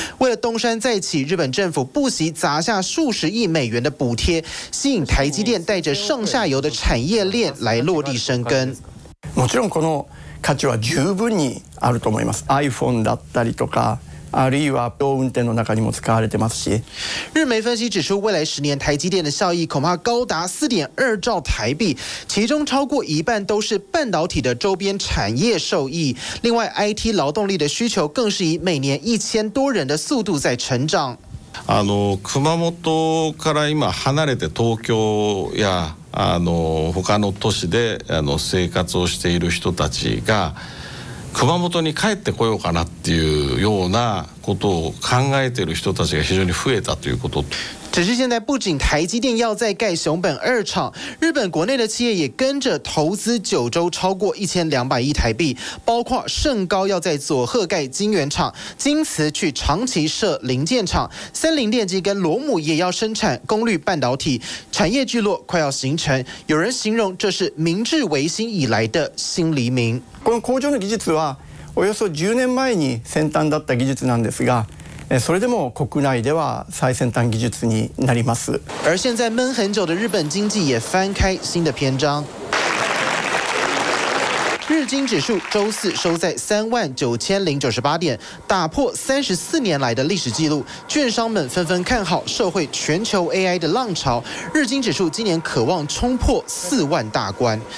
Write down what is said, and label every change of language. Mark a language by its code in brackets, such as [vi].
[zh] 为了东山再起，日本政府不惜砸下数十亿美元的补贴，吸引台积电带着上下游的产业链来落地生根。 [ja] もちろんこの価値は十分にあると思います。 iPhone だったりとか、あるいは自動運転の中にも使われてますし。 [zh] 日媒分析指出，未来十年台积电的效益恐怕高达4.2兆台币，其中超过一半都是半导体的周边产业受益。另外 ，IT 劳动力的需求更是以每年1000多人的速度在成长。 [ja] 熊本から今離れて東京や他の都市で生活をしている人たちが熊本に帰ってこようかなっていうようなことを考えている人たちが非常に増えたということ。 [zh] 只是现在不仅台积电要再盖熊本二厂，日本国内的企业也跟着投资九州超过1200亿台币，包括盛高要在佐贺盖晶圆厂，京瓷去长崎设零件厂，三菱电机跟罗姆也要生产功率半导体，产业聚落快要形成。有人形容这是明治维新以来的新黎明。 [ja] この工場の技術はおよそ10年前に先端だった技術なんですが。それでも国内では最先端技術になります。 [zh] 而现在闷很久的日本经济也翻开新的篇章。经指数周四收在39098点，打破34年来的历史记录。券商们纷纷看好社会全球 AI 的浪潮，日经指数今年渴望冲破40000大关。